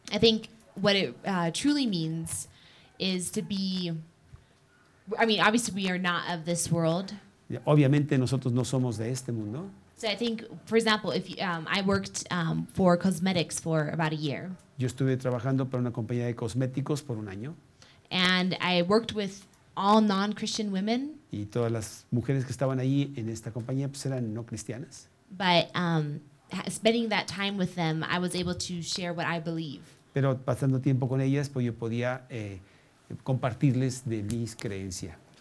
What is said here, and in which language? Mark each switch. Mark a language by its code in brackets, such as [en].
[en] I think what it truly means is to be. I mean, obviously we are not of this world. [es] Obviamente nosotros no somos de este mundo. [en] So I think, for example, if you, I worked for cosmetics for about a year. [es] Yo estuve trabajando para una compañía de cosméticos por un año. [en] And I worked with all non-Christian women. [es] Y todas las mujeres que estaban ahí en esta compañía pues eran no cristianas. [en] But spending that time with them, I was able to share what I believe. [es] Pero pasando tiempo con ellas, pues yo podía compartirles de mis creencias.